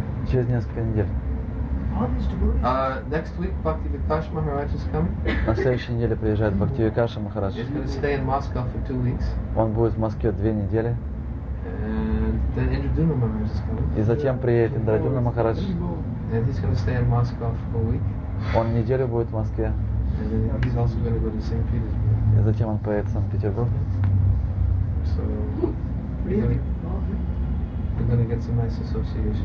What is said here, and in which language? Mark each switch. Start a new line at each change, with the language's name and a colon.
Russian: Через несколько недель.
English: Next week, Bhakti Vikash Maharaj is coming.
Russian: На следующей неделе приезжает Бхакти Викаша Махарадж.
English: He's going to stay in Moscow for 2 weeks.
Russian: Он будет в Москве 2 недели.
English: And then Indradyumna Maharaj is coming.
Russian: И затем приедет Индрадюна Махарадж.
English: And he's going to stay in Moscow for a week.
Russian: Он неделю будет в Москве.
English: He's also going to go to St. Petersburg.
Russian: И затем он поедет в Санкт-Петербург.
English: So, we're going to get some nice association.